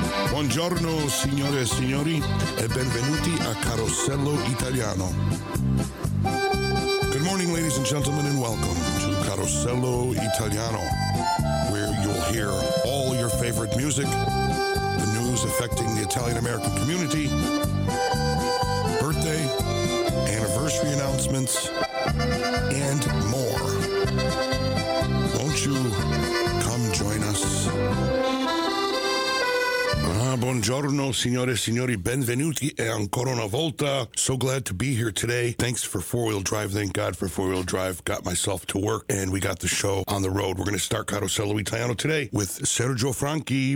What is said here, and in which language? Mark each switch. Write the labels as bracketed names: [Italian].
[Italian] Buongiorno signore e signori e benvenuti a Carosello Italiano. [English] Good morning, ladies and gentlemen, and welcome to Carosello Italiano, where you'll hear all your favorite music, the news affecting the Italian-American community, birthday, anniversary announcements, and more. Won't you come join us? [Italian] Buongiorno, signore e signori, benvenuti e ancora una volta. [English] So glad to be here today. Thanks for four-wheel drive. Thank God for four-wheel drive. Got myself to work and we got the show on the road. We're going to start Carosello Italiano today with Sergio Franchi.